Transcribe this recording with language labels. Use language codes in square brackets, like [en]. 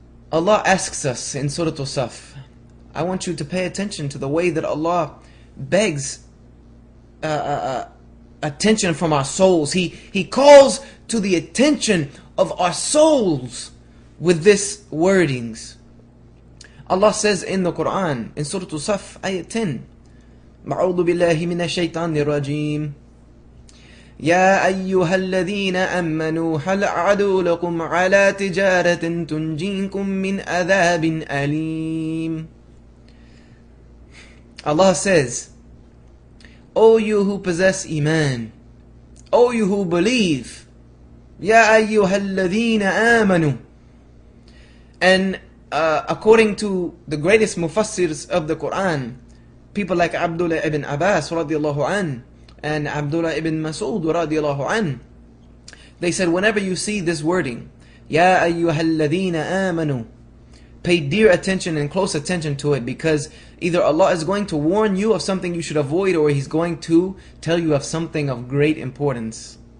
[en] Allah asks us in Surah Al-Saff, I want you to pay attention to the way that Allah begs attention from our souls. He calls to the attention of our souls with this wordings. Allah says in the Quran, in Surah Al-Saff, ayat 10, [ar] أعوذ بالله من الشيطان الرجيم يا أيها الذين آمنوا هل أعدوا لكم على تجارة تنجيكم من عذاب أليم. [en] Allah says, O you who possess Iman, O you who believe, [ar] يا أيها الذين آمنوا. [en] And according to the greatest mufassirs of the Quran, people like Abdullah ibn Abbas radiallahu an, and Abdullah ibn Mas'ud radiallahu an, they said, whenever you see this wording, Ya ayyuha alladhina amanu, pay dear attention and close attention to it, because either Allah is going to warn you of something you should avoid, or He's going to tell you of something of great importance.